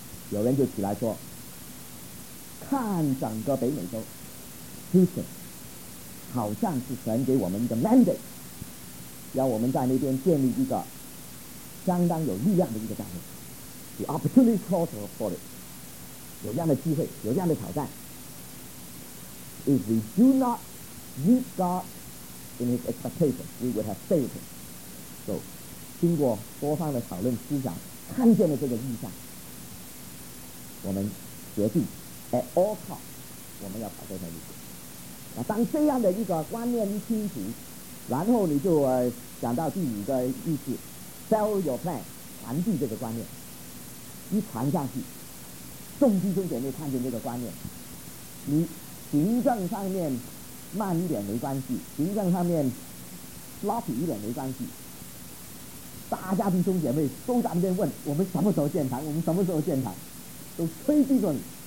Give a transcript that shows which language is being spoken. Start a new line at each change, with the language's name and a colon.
Chinese: 有人就起来说，看整个北美洲 ，Houston 好像是神给我们一个 mandate， 要我们在那边建立一个相当有力量的一个单位。
English: The opportunity calls for it，
Chinese: 有这样的机会，有这样的挑战。
English: If we do not meet God in his expectation, we would have failed him.
Chinese: So, 经过多方的讨论思想，看见了这个意向，我们决定
English: at all costs,
Chinese: 我们要跑这条路。那当这样的一个观念一清楚，然后你就讲到第五个意思
English: sell your plan,
Chinese: 传递这个观念，一传下去，众弟兄姐妹看见这个观念，你行政上面慢一点没关系，行政上面 sloppy 一点没关系，大家弟兄姐妹都在那边问我们什么时候建堂，我们什么时候建堂，都催逼着你。